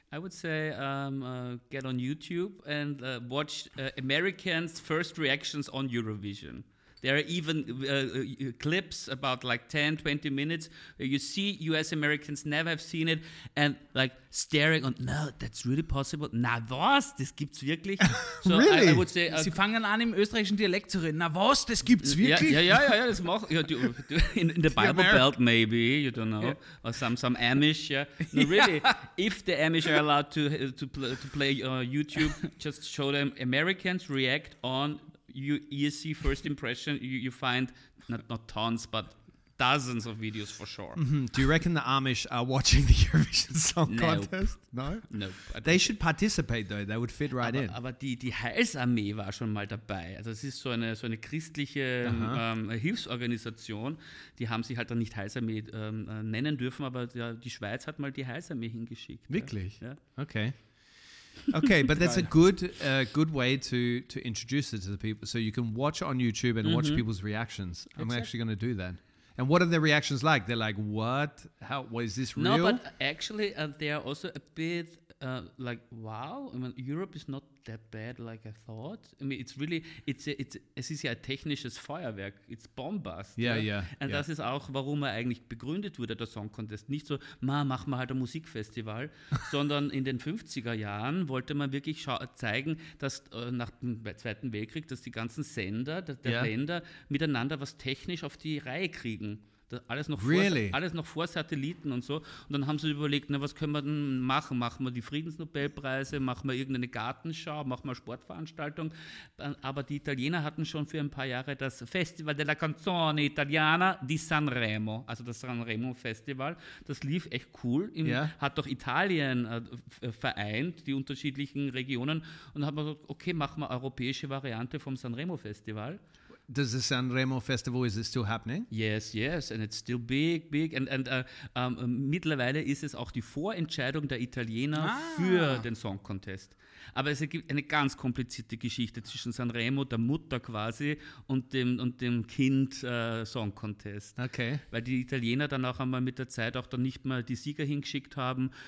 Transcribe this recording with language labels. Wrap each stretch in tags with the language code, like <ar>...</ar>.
<en>I would say get on YouTube and watch Americans' first reactions on Eurovision. There are even clips about like 10, 20 minutes where you see US Americans never have seen it and like staring on, no, that's really possible.</en> <de>Na was, das gibt's wirklich?</de> <en>So really? I would say,</en> <de>Sie fangen an im österreichischen Dialekt zu reden. Na was, das gibt's wirklich? Ja, das macht, ja,</de> <en>in the Bible Belt maybe, you don't know, or some Amish. Yeah. No, really, if the Amish are allowed to play YouTube, just show them Americans react on ESC first impression, you find not tons, but dozens of videos for sure. Mm-hmm. Do you reckon the Amish are watching the Eurovision Song Contest? No? Nope. They should participate though, they would fit right in.</en> <de>Aber die Heilsarmee war schon mal dabei. Also es ist so eine christliche Hilfsorganisation. Die haben sich halt dann nicht Heilsarmee nennen dürfen, aber ja, die Schweiz hat mal die Heilsarmee hingeschickt. Wirklich? Ja. Okay.</de> <en>Okay, but that's a good way to introduce it to the people. So you can watch it on YouTube and watch people's reactions. Exactly. I'm actually going to do that. And what are their reactions like? They're like, what? How? What is this real? No, but actually they are also a bit like, wow. I mean, Europe is not that bad like I thought. I mean,</en> <de>es ist ja ein technisches Feuerwerk.</de> <en>It's bombast. Yeah.</en> <de>Das ist auch, warum er eigentlich begründet wurde, der Song Contest. Nicht so, mach mal halt ein Musikfestival, sondern in den 50er Jahren wollte man wirklich zeigen, dass nach dem Zweiten Weltkrieg, dass die ganzen Sender der Länder miteinander was technisch auf die Reihe kriegen. Alles noch vor Satelliten und so. Und dann haben sie überlegt, was können wir denn machen? Machen wir die Friedensnobelpreise? Machen wir irgendeine Gartenschau? Machen wir Sportveranstaltung? Aber die Italiener hatten schon für ein paar Jahre das Festival della Canzone Italiana di Sanremo, also das Sanremo Festival. Das lief echt cool. Hat doch Italien vereint, die unterschiedlichen Regionen. Und dann haben wir gesagt, okay, machen wir europäische Variante vom Sanremo Festival.</de> <en>Does the Sanremo Festival, is it still happening? Yes, and it's still big.</en> <de>And mittlerweile ist es auch die Vorentscheidung der Italiener für den Song Contest. Aber es gibt eine ganz komplizierte Geschichte zwischen Sanremo, der Mutter quasi, und dem Kind Song Contest. Okay. Weil die Italiener dann auch einmal mit der Zeit auch dann nicht mehr die Sieger hingeschickt haben.</de>